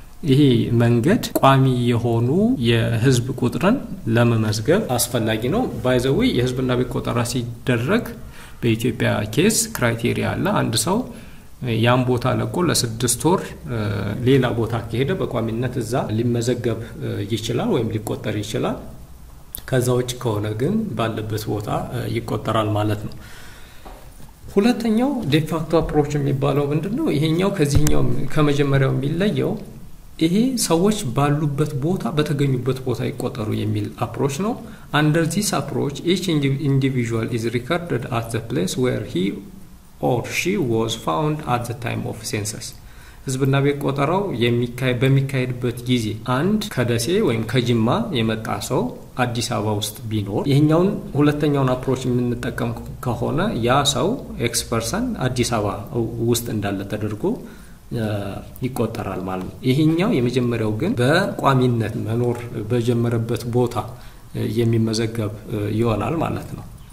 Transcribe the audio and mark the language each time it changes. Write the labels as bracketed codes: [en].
[am] ይሄ መንገድ ቋሚ የሆኑ የህዝብ ቁጥርን ለመመዝገብ አስፈላጊ ነው። [en] By the way, [am] የህዝብና ቢቆጠራ ሲደረግ በኢትዮጵያ ኬስ ክራይቴሪያ አለ። አንድ ሰው ያን ቦታ ለቆ ለስድስት ወር ሌላ ቦታ ከሄደ በቋሚነት እዛ ሊመዘገብ ይችላል ወይም ሊቆጠር ይችላል። ከዛ ውጭ ከሆነ ግን ባለበት ቦታ ይቆጠራል ማለት ነው። ሁለተኛው ዲፋክቶ አፕሮች የሚባለው ምንድነው? ይሄኛው ከዚህኛው ከመጀመሪያው የሚለየው ይሄ ሰዎች ባሉበት ቦታ በተገኙበት ቦታ ይቆጠሩ የሚል አፕሮች ነው። [en] Under this approach, each individual is recorded at the place where he or she was found at the time of census. [am] ህዝብና ቢቆጠራው በሚካሄድበት ጊዜ አንድ ከደሴ ወይም ከጅማ የመጣ ሰው አዲስ አበባ ውስጥ ቢኖር ይሄኛውን ሁለተኛውን አፕሮች የምንጠቀም ከሆነ ያ ሰው ኤክስ ፐርሰን አዲስ አበባ ውስጥ እንዳለ ተደርጎ ይቆጠራል ማለት ነው። ይሄኛው የመጀመሪያው ግን በቋሚነት መኖር በጀመረበት ቦታ የሚመዘገብ ይሆናል ማለት ነው።